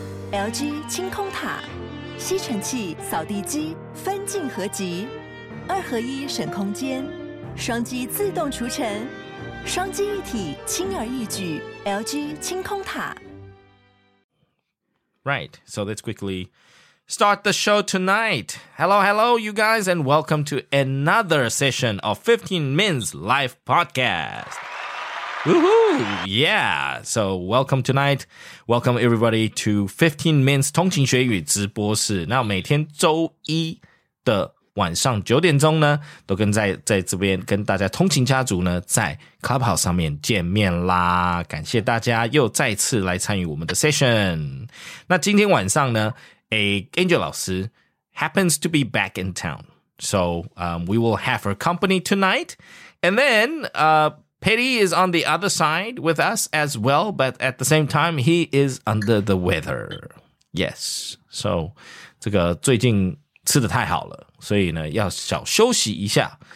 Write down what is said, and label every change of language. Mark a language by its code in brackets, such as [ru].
[zh] LG 清空塔，吸尘器、扫地机分镜合集，二合一省空间，双击自动除尘，双击一体轻而易举。 LG 清空塔。 [en] Right, so let's quickly start the show tonight. Hello, hello, you guys, and welcome to another session of 15 Min's Live Podcast. Woohoo! Yeah! So, welcome tonight. Welcome everybody to 15 Min's [zh] 通勤学语直播室。那每天周一的晚上九点钟呢，都跟在这边跟大家通勤家族呢，在 Clubhouse 上面见面啦。感谢大家又再次来参与我们的 session。那今天晚上呢，Angel 老师 [en] happens to be back in town. So, we will have her company tonight. And then, Petty is on the other side with us as well, but at the same time, he is under the weather. Yes. [zh] So, 这个最近吃得太好了，所以呢，要小休息一下。